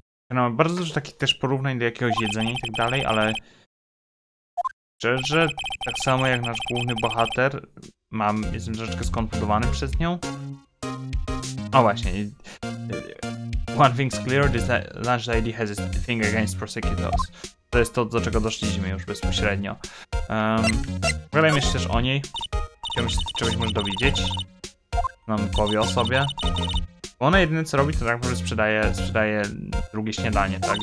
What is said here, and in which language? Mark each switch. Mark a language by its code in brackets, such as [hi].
[pl] No, bardzo dużo takich też porównań do jakiegoś jedzenia i tak dalej, ale szczerze, tak samo jak nasz główny bohater, jestem troszeczkę skonfundowany przez nią. O właśnie. [en] One thing's clear, this large lady has a thing against prosecutors. [pl] To jest to, do czego doszliśmy już bezpośrednio. Pogadajmy jeszcze też o niej. Chciałbym się czegoś może dowiedzieć. Nam powie o sobie. Ona jedyne co robi, to tak naprawdę sprzedaje drugie śniadanie, tak?